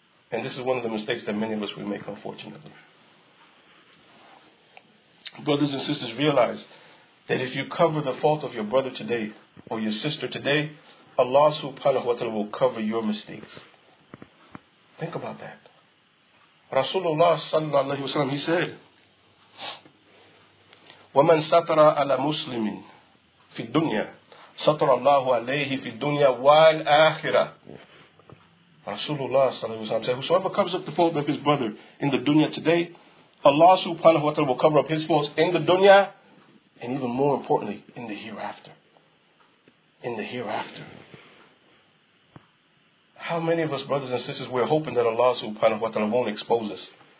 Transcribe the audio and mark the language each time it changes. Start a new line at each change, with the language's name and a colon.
English: And this is one of the mistakes that many of us we make, unfortunately. Brothers and sisters, realize that if you cover the fault of your brother today or your sister today, Allah subhanahu wa ta'ala will cover your mistakes. Think about that. Rasulullah sallallahu alayhi wa sallam, he said,
Arabic: وَمَنْ سَطَرَ عَلَى مُسْلِمٍ فِي الدُّنْيَا سَطَرَ اللَّهُ عَلَيْهِ فِي الدُّنْيَا وَالْآخِرَةِ.
English: Rasulullah sallallahu alayhi wa sallam said, whosoever covers up the fault of his brother in the dunya today, Allah subhanahu wa ta'ala will cover up his faults in the dunya, and even more importantly, in the hereafter. In the hereafter. How many of us, brothers and sisters, we're hoping that Allah subhanahu wa ta'ala won't expose us?